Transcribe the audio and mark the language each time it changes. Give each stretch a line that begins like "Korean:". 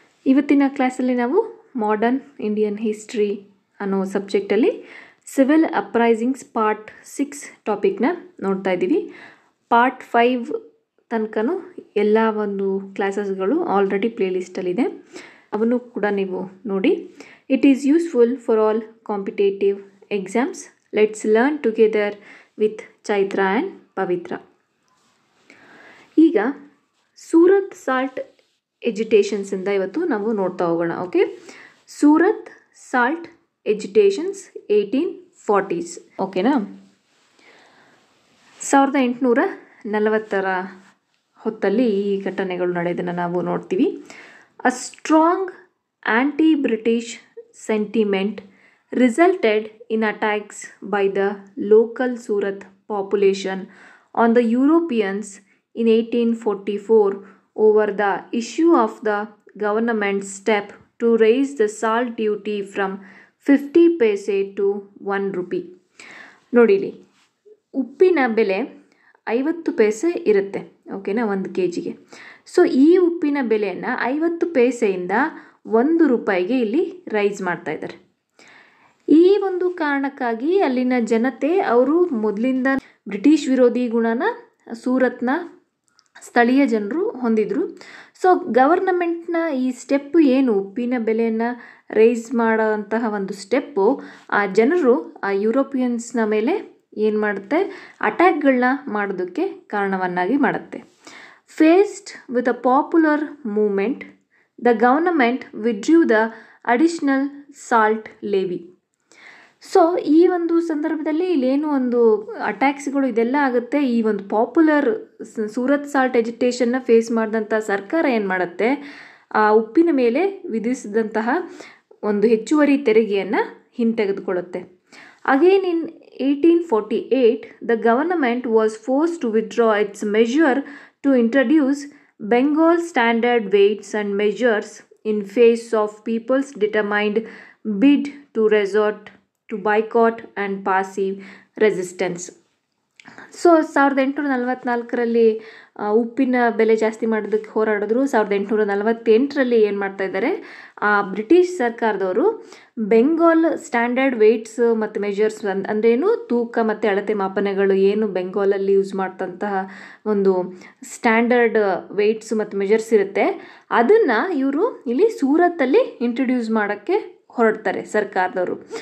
Kannada: ಇವತ್ತಿನ ಕ್ಲಾಸಲ್ಲಿ ನಾವು ಮಾಡರ್ನ್ ಇಂಡಿಯನ್ ಹಿಸ್ಟ್ರಿ ಅನ್ನೋ ಸಬ್ಜೆಕ್ಟಲ್ಲಿ ಸಿವಿಲ್ ಅಪ್ರೈಸಿಂಗ್ಸ್ Part-6 ಟಾಪಿಕ್ನ ನೋಡ್ತಾ ಇದ್ದೀವಿ. Part-5 ತನಕನೂ ಎಲ್ಲ ಒಂದು ಕ್ಲಾಸಸ್ಗಳು ಆಲ್ರೆಡಿ ಪ್ಲೇಲಿಸ್ಟಲ್ಲಿದೆ, ಅವನ್ನು ಕೂಡ ನೀವು ನೋಡಿ.
English: It is useful for all competitive exams. Let's learn together with Chaitra and Pavitra.
Kannada: Iga Surat Salt Agitations inda ivattu navu nortta hogana.
English: Okay, Surat Salt Agitations 1840s.
Kannada: Okay na, 1840ra hottalli ee ghatanegalu nadedana navu nortivi.
English: A strong anti-British sentiment resulted in attacks by the local Surat population on the Europeans in 1844 over the issue of the government's step to raise the salt duty from 50 paise to 1 rupee.
Kannada: ನೋಡಿಲಿ, ಉಪ್ಪಿನ ಬೆಲೆ 50 paise ಇರುತ್ತೆ, ಓಕೆನಾ, 1 kg. So ಈ ಉಪ್ಪಿನ ಬೆಲೆಯನ್ನು 50 paiseಯಿಂದ 1 rupee ಇಲ್ಲಿ rice ಮಾಡ್ತಾ ಇದ್ದಾರೆ. ಈ ಒಂದು ಕಾರಣಕ್ಕಾಗಿ ಅಲ್ಲಿನ ಜನತೆ, ಅವರು ಮೊದಲಿಂದ ಬ್ರಿಟಿಷ್ ವಿರೋಧಿ ಗುಣನ ಸೂರತ್ನ ಸ್ಥಳೀಯ ಜನರು ಹೊಂದಿದ್ರು. ಸೊ ಗವರ್ನಮೆಂಟ್ನ ಈ ಸ್ಟೆಪ್ ಏನು, ಉಪ್ಪಿನ ಬೆಲೆಯನ್ನು ರೈಸ್ ಮಾಡೋಂತಹ ಒಂದು ಸ್ಟೆಪ್ಪು, ಆ ಜನರು ಆ ಯುರೋಪಿಯನ್ಸ್ನ ಮೇಲೆ ಏನು ಮಾಡುತ್ತೆ, ಅಟ್ಯಾಕ್ಗಳನ್ನ ಮಾಡೋದಕ್ಕೆ ಕಾರಣವನ್ನಾಗಿ ಮಾಡುತ್ತೆ.
English: Faced with a popular movement, the government withdrew the additional salt levy.
Kannada: So ಈ ಒಂದು ಸಂದರ್ಭದಲ್ಲಿ ಇಲ್ಲೇನು ಒಂದು ಅಟ್ಯಾಕ್ಸ್ಗಳು ಇದೆಲ್ಲ ಆಗುತ್ತೆ. ಈ ಒಂದು ಪಾಪ್ಯುಲರ್ ಸೂರತ್ ಸಾಲ್ಟ್ ಎಜಿಟೇಷನ್ನ ಫೇಸ್ ಮಾಡಿದಂಥ ಸರ್ಕಾರ ಏನು ಮಾಡುತ್ತೆ, ಆ ಉಪ್ಪಿನ ಮೇಲೆ ವಿಧಿಸಿದಂತಹ ಒಂದು ಹೆಚ್ಚುವರಿ ತೆರಿಗೆಯನ್ನು ಹಿಂತೆಗೆದುಕೊಳ್ಳುತ್ತೆ.
English: Again in 1848 the government was force to withdraw its measure to introduce Bengal standard weights and measures in face of people's determined bid to resort to boycott and passive resistance.
Kannada: So 1844ರಲ್ಲಿ ಉಪ್ಪಿನ ಬೆಲೆ ಜಾಸ್ತಿ ಮಾಡೋದಕ್ಕೆ ಹೋರಾಡಿದ್ರು. 1848ರಲ್ಲಿ ಏನು ಮಾಡ್ತಾಯಿದ್ದಾರೆ, ಆ British ಸರ್ಕಾರದವರು Bengal standard weights ಮತ್ತು measures ಅಂದರೆ ಏನು, ತೂಕ ಮತ್ತು ಅಳತೆ ಮಾಪನಗಳು ಏನು ಬೆಂಗಾಲಲ್ಲಿ ಯೂಸ್ ಮಾಡ್ತಂತಹ ಒಂದು ಸ್ಟ್ಯಾಂಡರ್ಡ್ ವೇಟ್ಸ್ ಮತ್ತು ಮೆಜರ್ಸ್ ಇರುತ್ತೆ, ಅದನ್ನು ಇವರು ಇಲ್ಲಿ ಸೂರತ್ತಲ್ಲಿ ಇಂಟ್ರೊಡ್ಯೂಸ್ ಮಾಡೋಕ್ಕೆ ಹೊರಡ್ತಾರೆ ಸರ್ಕಾರದವರು.